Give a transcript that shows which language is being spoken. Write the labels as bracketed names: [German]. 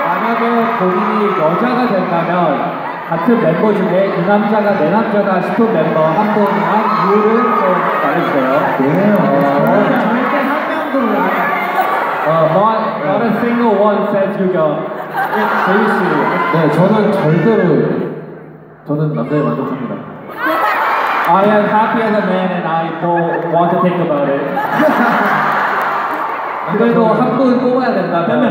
[Korean] 만약에 본인이 여자가 된다면 같은 멤버 중에 이 남자가 내 남자다 싶은 멤버 한 분만 이유를 좀 말해주세요. [English] Not a single one says you go. 재윤 씨. [Korean] 네, 저는 절대로. 저는 남자에 만족합니다. [English] I am happy as a man and I don't want to think about it. [Korean] 그래도 한 분 뽑아야 된다.